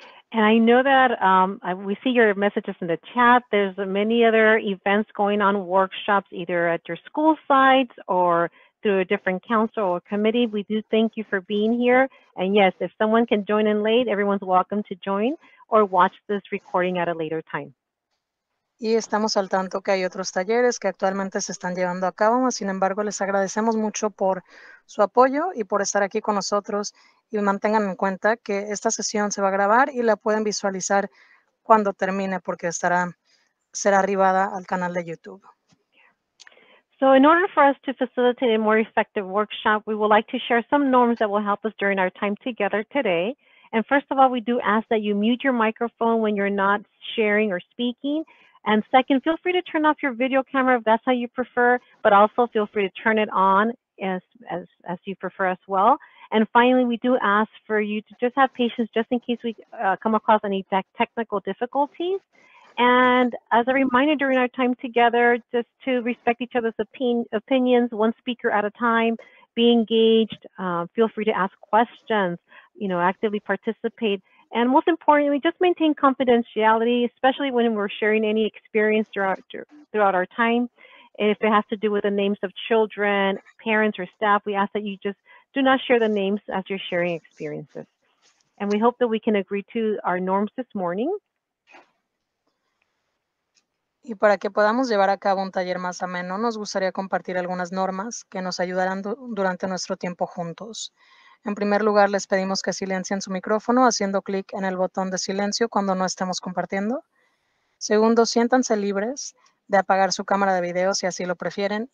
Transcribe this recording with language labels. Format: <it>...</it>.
<en>And I know that we see your messages in the chat. There's many other events going on, workshops, either at your school sites or through a different council or committee. We do thank you for being here. And yes, if someone can join in late, everyone's welcome to join or watch this recording at a later time.</en> <es>Y estamos al tanto que hay otros talleres que actualmente se están llevando a cabo. Sin embargo, les agradecemos mucho por su apoyo y por estar aquí con nosotros. Y mantengan en cuenta que esta sesión se va a grabar y la pueden visualizar cuando termine porque será arribada al canal de YouTube.</es> <en>So in order for us to facilitate a more effective workshop, we would like to share some norms that will help us during our time together today. And first of all, we do ask that you mute your microphone when you're not sharing or speaking. And second, feel free to turn off your video camera if that's how you prefer, but also feel free to turn it on as you prefer as well. And finally, we do ask for you to just have patience just in case we come across any technical difficulties. And as a reminder during our time together, just to respect each other's opinions, one speaker at a time, be engaged, feel free to ask questions, you know, actively participate. And most importantly, just maintain confidentiality, especially when we're sharing any experience throughout our time. If it has to do with the names of children, parents, or staff, we ask that you just do not share the names as you're sharing experiences. And we hope that we can agree to our norms this morning.</en> <es>Y para que podamos llevar a cabo un taller más ameno, nos gustaría compartir algunas normas que nos ayudarán durante nuestro tiempo juntos. En primer lugar, les pedimos que silencien su micrófono haciendo clic en el botón de silencio cuando no estemos compartiendo. Segundo, siéntanse libres de apagar su cámara de video si así lo prefieren.</es>